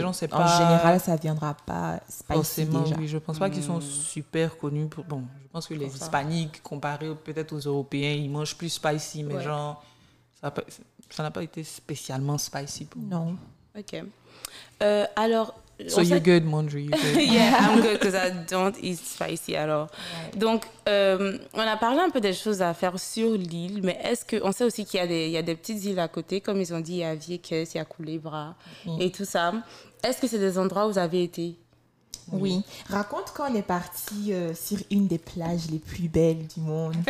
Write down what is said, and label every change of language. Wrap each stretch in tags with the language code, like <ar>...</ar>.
<fr>Gens, c'est en général, ça viendra pas spicy forcément, déjà. Oui, je pense pas qu'ils sont super connus pour. Bon, je pense que les Hispaniques, comparés peut-être aux Européens, ils mangent plus spicy, mais genre, ça n'a pas été spécialement spicy pour non. Moi. Ok. Alors.</fr> <en>So you're good, Mondry. Yeah, I'm good because I don't eat spicy at all. Right.</en> <fr>Donc, on a parlé un peu des choses à faire sur l'île, mais est-ce que on sait aussi qu'il y a des petites îles à côté, comme ils ont dit, il y a Vieques, il y a Culebra et tout ça. Est-ce que c'est des endroits où vous avez été? Oui. Raconte quand on est parti sur une des plages les plus belles du monde.</fr>